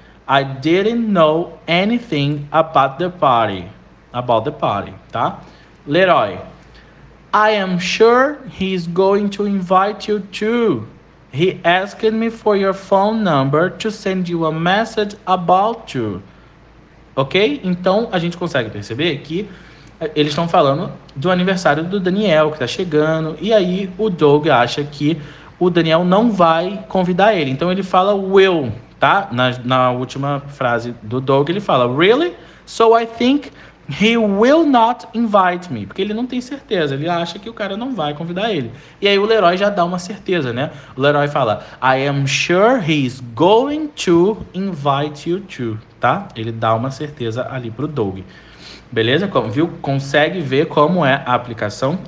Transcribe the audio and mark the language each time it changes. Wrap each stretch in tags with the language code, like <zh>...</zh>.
<en>I didn't know anything about the party. About the party, tá? Leroy. I am sure he's going to invite you too. He asked me for your phone number to send you a message about you. Ok?</en> <pt>Então, a gente consegue perceber que eles estão falando do aniversário do Daniel, que está chegando. E aí, o Doug acha que o Daniel não vai convidar ele. Então, ele fala will, tá? Na última frase do Doug, ele fala,</pt> <en>really? So, I think he will not invite me.</en> <pt>Porque ele não tem certeza. Ele acha que o cara não vai convidar ele. E aí o Leroy já dá uma certeza, né? O Leroy fala,</pt> <en>I am sure he is going to invite you to. Tá?</en> <pt>Ele dá uma certeza ali pro Doug. Beleza? Como, viu? Consegue ver como é a aplicação?</pt>